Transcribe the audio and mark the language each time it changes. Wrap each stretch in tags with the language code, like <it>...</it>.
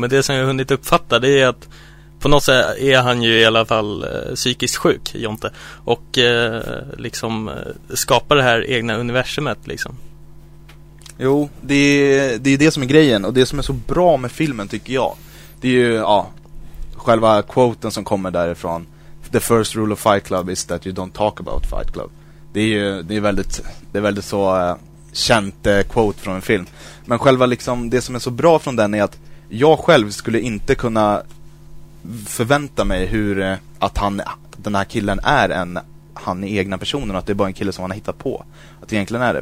<sv>Men det som jag har hunnit uppfatta, det är att på något sätt är han ju i alla fall psykiskt sjuk, Jonte. Och liksom skapar det här egna universumet liksom. Jo, det är det som är grejen. Och det som är så bra med filmen tycker jag, det är ju ja, själva quoten som kommer därifrån.</sv> <en>The first rule of Fight Club is that you don't talk about Fight Club.</en> <sv>Det är väldigt så känt quote från en film. Men själva liksom, det som är så bra från den är att jag själv skulle inte kunna förvänta mig hur att han, den här killen är en, han är egna personen, att det är bara en kille som han har hittat på, att egentligen är det.</sv>